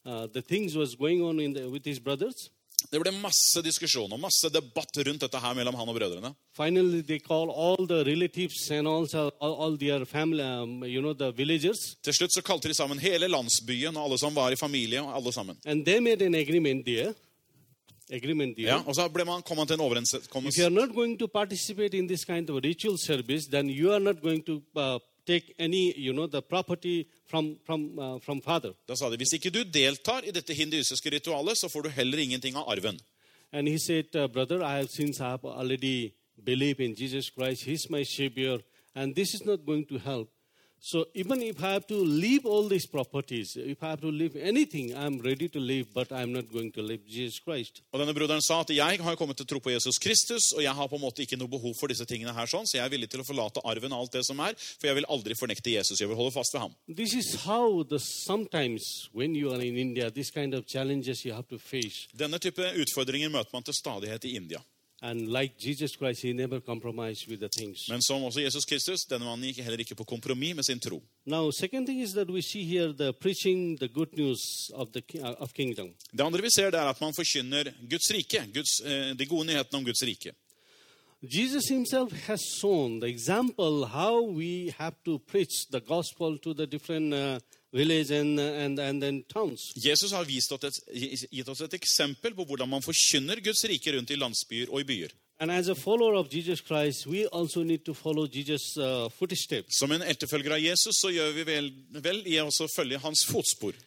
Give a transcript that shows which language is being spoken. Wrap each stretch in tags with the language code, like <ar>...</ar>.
<en>the things was going on with his brothers.</en> <no>Det ble masse diskusjon og masse debatt rundt dette her mellom han og brødrene.</no> <en>Finally, they call all the relatives and also all their family, you know, the villagers.</en> <no>Til slutt så kalte de sammen hele landsbyen og alle som var I familie og alle sammen.</no> <en>And they made an agreement there.</en> <no>Ja, og så ble man kommet til en overenskommelse.</no> <en>If you are not going to participate in this kind of ritual service, then you are not going to... take any, you know, the property from father.</en> <no>Da sa de, hvis ikke du deltar I dette hinduistiske ritualet, så får du heller ingenting av arven.</no> <en>And he said, brother, since I have already believed in Jesus Christ, he's my savior, and this is not going to help. So even if I have to leave all these properties, if I have to leave anything, I'm ready to leave, but I'm not going to leave Jesus Christ.</en> <no>Og denne broderen sa at jeg har kommet til å tro på Jesus Kristus, og jeg har på en måte ikke noe behov for disse tingene her sånn, så jeg villig til å forlate arven og alt det som for jeg vil aldri fornekte Jesus, jeg vil holde fast ved ham.</no> <en>This is how sometimes when you are in India, this kind of challenges you have to face.</en> <no>Denne type utfordringer møter man til stadighet I India.</no> <en>And like Jesus Christ, he never compromised with the things.</en> <no>Men som også Jesus Kristus, denne mannen gikk heller ikke på kompromis med sin tro.</no> <en>Now, second thing is that we see here the preaching the good news of the of kingdom.</en> <no>Det andre vi ser at man forkynner Guds rike, de gode nyheten om Guds rike.</no> <en>Jesus himself has shown the example how we have to preach the gospel to the different villages and then towns.</en> <no>Jesus har vist oss et eksempel på hvordan man forkynner Guds rike rundt I landsbyer og I byer.</no> <en>And as a follower of Jesus Christ, we also need to follow Jesus' footsteps.</en> <no>Som en etterfølger av Jesus, så gjør vi vel I også følge hans fotspor.</no>